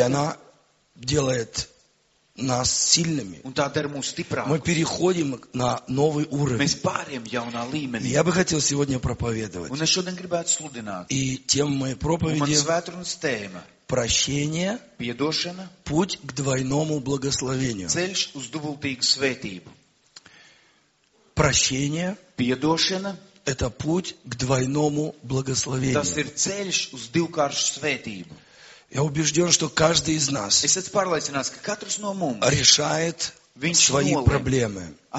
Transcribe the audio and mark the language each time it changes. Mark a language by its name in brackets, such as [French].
[Russian] и она делает нас сильными. Мы переходим на новый уровень. Я бы хотел сегодня проповедовать. И тема моей проповеди – прощение, [Latvian] Piedošana, [Russian] путь к двойному благословению. [Latvian] Ceļš uz dubultīgu svētību. [Russian] Прощение [Latvian] Piedošana, [Russian] – это путь к двойному благословению. [Latvian] Tas ir ceļš uz divkāršu svētību. [Russian] Я убежден, что каждый из нас решает свои проблемы.